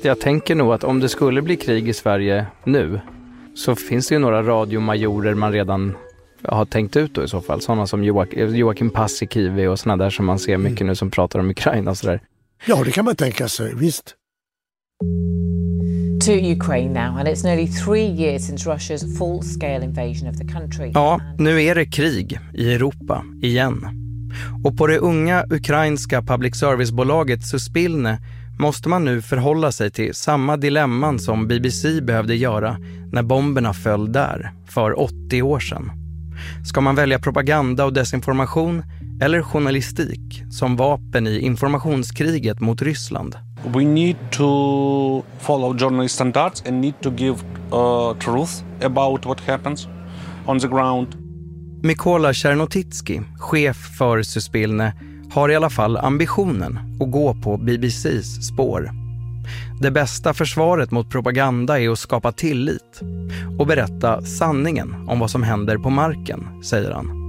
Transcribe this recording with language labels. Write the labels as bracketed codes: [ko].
[sv] Jag tänker nog att om det skulle bli krig i Sverige nu, så finns det ju några radiomajorer man redan har tänkt ut då i så fall. Sådana som Joakim Paasikivi och sådana där som man ser mycket nu som pratar om Ukraina och sådär. Ja, det kan man tänka sig, visst. [en] To Ukraine now, and it's nearly 3 years since Russia's full-scale invasion of the country. [sv] Ja, nu är det krig i Europa igen. Och på det unga ukrainska public service-bolaget Suspilne måste man nu förhålla sig till samma dilemman som BBC behövde göra när bomberna föll där för 80 år sedan. Ska man välja propaganda och desinformation eller journalistik som vapen i informationskriget mot Ryssland? [en] We need to follow journalist standards and need to give truth about what happens on the ground. [sv] Mykola Chernotitsky, chef för Suspilne, har i alla fall ambitionen att gå på BBCs spår. Det bästa försvaret mot propaganda är att skapa tillit och berätta sanningen om vad som händer på marken, säger han.